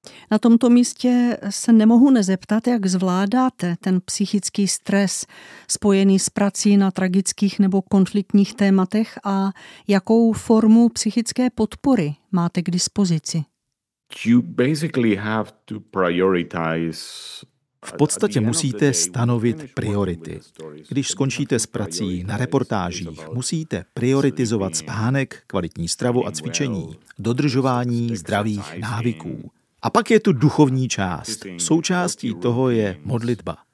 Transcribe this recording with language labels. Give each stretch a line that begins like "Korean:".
Czech: Na tomto místě se nemohu nezeptat, jak zvládáte ten psychický stres spojený s prací na tragických nebo konfliktních tématech a jakou formu psychické podpory máte k dispozici.
English: You basically have to prioritize.
Czech: V podstatě musíte stanovit priority. Když skončíte s prací na reportážích, musíte prioritizovat spánek, kvalitní stravu a cvičení, dodržování zdravých návyků. A pak je tu duchovní část. Součástí toho je modlitba.